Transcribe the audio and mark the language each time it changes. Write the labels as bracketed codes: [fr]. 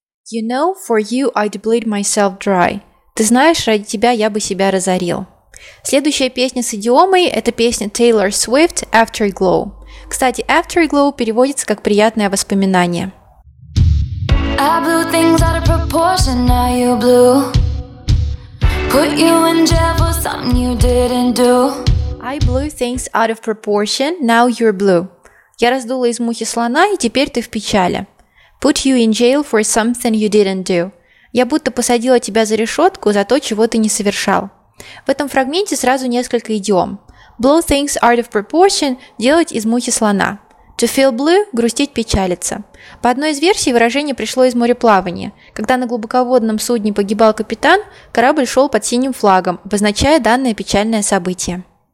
[en] You know, for you I'd bleed myself dry. [ru] Ты знаешь, ради тебя я бы себя разорил. Следующая песня с идиомой – это песня Taylor Swift «Afterglow». Кстати, «Afterglow» переводится как «приятное воспоминание». [en] I blew things out of proportion, now you blew. Put you in jail for something you didn't do. I blew things out of proportion, now you're blue. [ru] Я раздула из мухи слона, и теперь ты в печали. [en] Put you in jail for something you didn't do. [ru] Я будто посадила тебя за решетку за то, чего ты не совершал. В этом фрагменте сразу несколько идиом. [en] Blow things out of proportion – [ru] делать из мухи слона. [en] To feel blue – [ru] грустить, печалиться. По одной из версий выражение пришло из мореплавания. Когда на глубоководном судне погибал капитан, корабль шел под синим флагом, обозначая данное печальное событие.